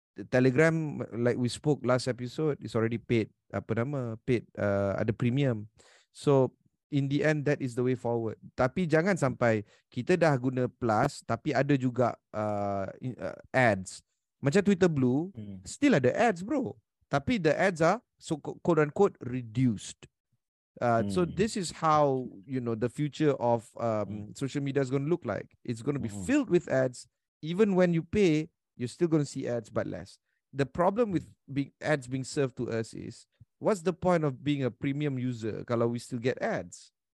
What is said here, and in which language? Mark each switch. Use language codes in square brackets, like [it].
[en] Telegram, like we spoke last episode, is already paid. [ms] Apa nama? [en] Paid. [ms] Ada premium. [en] So, in the end, that is the way forward. [ms] Tapi jangan sampai kita dah guna Plus tapi ada juga ads. Macam Twitter Blue, still ada ads, bro. [en] Tapi the ads are, so quote-unquote, reduced. So this is how, you know, the future of social media is going to look like. It's going to be filled with ads. Even when you pay, you're still going to see ads, but less. The problem with ads being served to us is, what's the point of being a premium user kalau we still get ads?